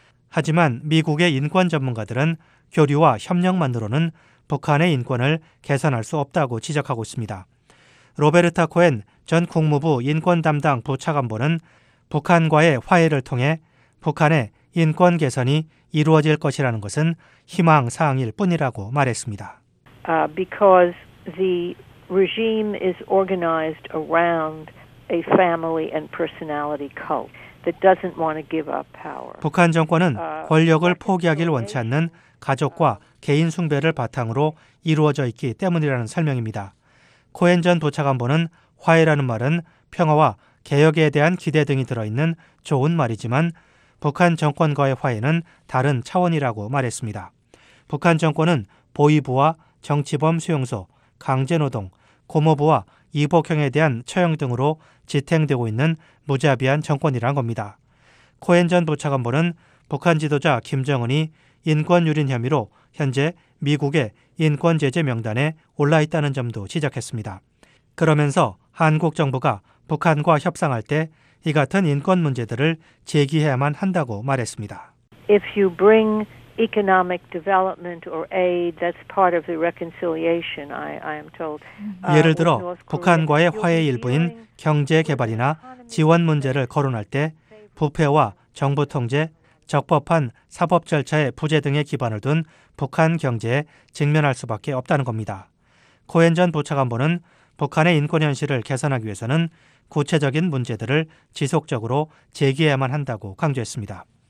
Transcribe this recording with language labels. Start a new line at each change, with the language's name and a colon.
Korean: 하지만 미국의 인권 전문가들은 교류와 협력만으로는 북한의 인권을 개선할 수 없다고 지적하고 있습니다. 로베르타 코엔 전 국무부 인권 담당 부차관보는 북한과의 화해를 통해 북한의 인권 개선이 이루어질 것이라는 것은 희망사항일 뿐이라고 말했습니다.
English: Because the regime is organized around a family and personality cult that doesn't want to give up power.
Korean: 북한 정권은 권력을 포기하길 원치 않는 가족과 개인 숭배를 바탕으로 이루어져 있기 때문이라는 설명입니다. 코엔 전 부차관보는 화해라는 말은 평화와 개혁에 대한 기대 등이 들어있는 좋은 말이지만 북한 정권과의 화해는 다른 차원이라고 말했습니다. 북한 정권은 보위부와 정치범 수용소, 강제노동, 고모부와 이복형에 대한 처형 등으로 지탱되고 있는 무자비한 정권이란 겁니다. 코엔 전 부차관보는 북한 지도자 김정은이 인권 유린 혐의로 현재 미국의 인권 제재 명단에 올라 있다는 점도 지적했습니다. 그러면서 한국 정부가 북한과 협상할 때 이 같은 인권 문제들을 제기해야만 한다고 말했습니다.
English: If you bring economic development or aid, that's part of the reconciliation. I am told.
Korean: 예를 들어 북한과의 화해 일부인 경제 개발이나 지원 문제를 거론할 때 부패와 정부 통제, 적법한 사법 절차의 부재 등의 기반을 둔 북한 경제에 직면할 수밖에 없다는 겁니다. 코엔 전 부차관보는 북한의 인권 현실을 개선하기 위해서는 구체적인 문제들을 지속적으로 제기해야만 한다고 강조했습니다.